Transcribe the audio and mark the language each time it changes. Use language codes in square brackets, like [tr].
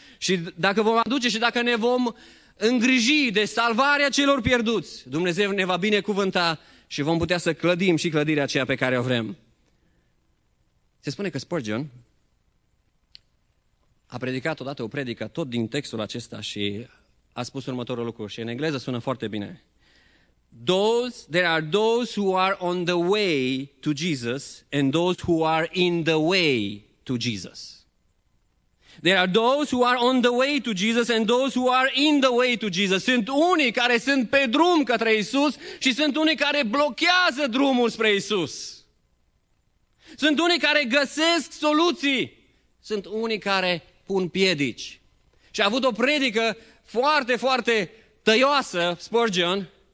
[ro] Și dacă vom aduce și dacă ne vom îngriji de salvarea celor pierduți, Dumnezeu ne va binecuvânta și vom putea să clădim și clădirea aceea pe care o vrem. Se spune că Spurgeon a predicat odată o predică tot din textul acesta și a spus următorul lucru, și în engleză sună foarte bine. [en] There are those who are on the way to Jesus and those who are in the way to Jesus. There are those who are on the way to Jesus and those who are in the way to Jesus. [ro] Sunt unii care sunt pe drum către Iisus și sunt unii care blochează drumul spre Iisus. Sunt unii care găsesc soluții. Sunt unii care pun piedici. Și a avut o predică foarte, foarte tăioasă, Spurgeon.